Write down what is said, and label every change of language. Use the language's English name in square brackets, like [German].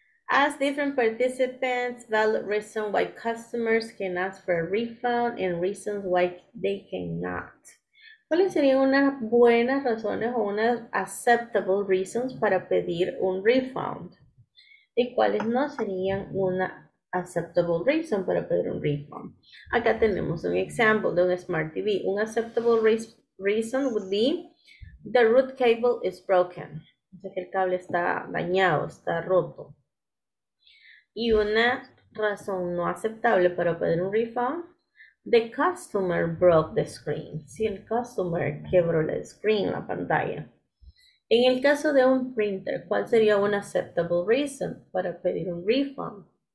[English] Ask different participants valid reason why customers can ask for a refund and reasons why they cannot. [Spanish] ¿Cuáles serían unas buenas razones o unas [English] acceptable reasons [Spanish] para pedir un refund? ¿Y cuáles no serían una [English] acceptable reason [Spanish] para pedir un refund? Acá tenemos un example de un Smart TV. [English] Un acceptable reason would be the root cable is broken. [Spanish] O sea que el cable está dañado, está roto. Y una razón no aceptable para pedir un refund, [English] the customer broke the screen. [Spanish] Si el customer quebró la screen, la pantalla. En el caso de un printer, ¿cuál sería una [English] acceptable reason [Spanish] para pedir un refund?